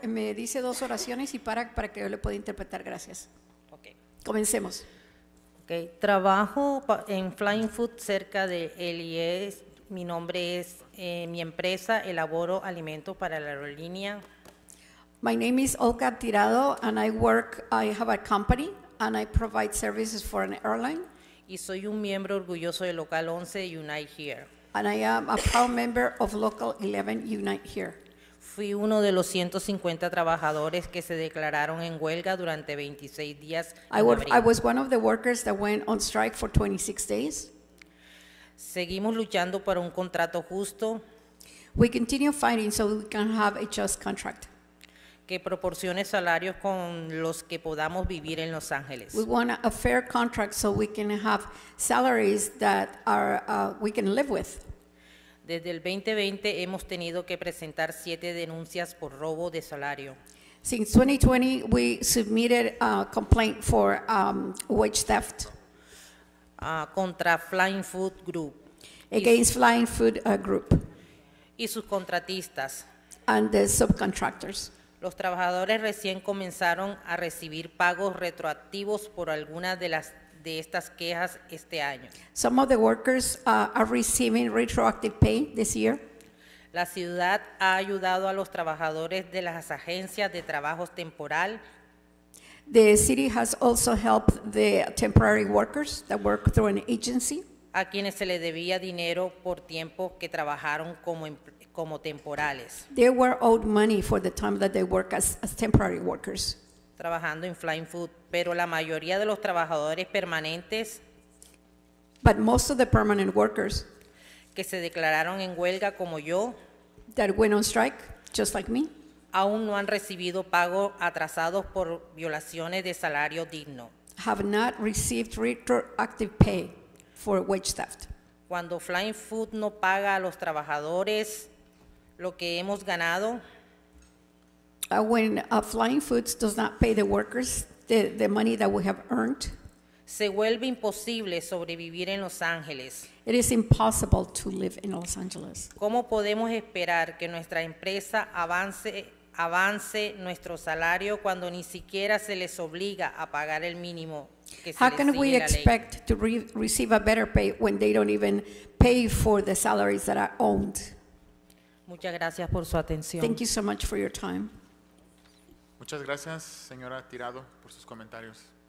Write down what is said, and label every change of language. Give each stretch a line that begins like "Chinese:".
Spanish: Me dice dos oraciones y para que yo le pueda interpretar. Gracias.
English: Okay.
Spanish: Comencemos. Okay. Trabajo en Flying Food cerca de LIS. Mi nombre es, mi empresa, elaboro alimentos para la aerolínea.
English: My name is Olga Tirado, and I work, I have a company, and I provide services for an airline.
Spanish: Y soy un miembro orgulloso de Local 11, Unite Here.
English: And I am a proud member of Local 11, Unite Here.
Spanish: Fui uno de los 150 trabajadores que se declararon en huelga durante 26 días.
English: I was one of the workers that went on strike for 26 days.
Spanish: Seguimos luchando por un contrato justo.
English: We continue fighting so we can have a just contract.
Spanish: Que proporcione salarios con los que podamos vivir en Los Ángeles.
English: We want a fair contract so we can have salaries that are we can live with.
Spanish: Desde el 2020 hemos tenido que presentar 7 denuncias por robo de salario.
English: Since 2020 we submitted a complaint for wage theft.
Spanish: Contra Flying Food Group.
English: Against Flying Food Group.
Spanish: Y sus contratistas.
English: And the subcontractors.
Spanish: Los trabajadores recién comenzaron a recibir pagos retroactivos por algunas de estas quejas este año.
English: Some of the workers are receiving retroactive pay this year.
Spanish: La ciudad ha ayudado a los trabajadores de las agencias de trabajo temporal.
English: The city has also helped the temporary workers that work through an agency.
Spanish: A quienes se les debía dinero por tiempo que trabajaron como temporales.
English: They were owed money for the time that they work as temporary workers.
Spanish: Trabajando en Flying Food, pero la mayoría de los trabajadores permanentes.
English: But most of the permanent workers.
Spanish: Que se declararon en huelga como yo.
English: That went on strike, just like me.
Spanish: Aún no han recibido pago atrasados por violaciones de salario digno.
English: Have not received retroactive pay for wage theft.
Spanish: Cuando Flying Food no paga a los trabajadores lo que hemos ganado.
English: When Flying Foods does not pay the workers the money that we have earned.
Spanish: Se vuelve imposible sobrevivir en Los Ángeles.
English: It is impossible to live in Los Angeles.
Spanish: ¿Cómo podemos esperar que nuestra empresa avance nuestro salario cuando ni siquiera se les obliga a pagar el mínimo que se les exige la ley?
English: How can we expect to receive a better pay when they don't even pay for the salaries that are owed?
Spanish: Muchas gracias por su atención.
English: Thank you so much for your time.
Spanish: Muchas gracias, señora Tirado, por sus comentarios.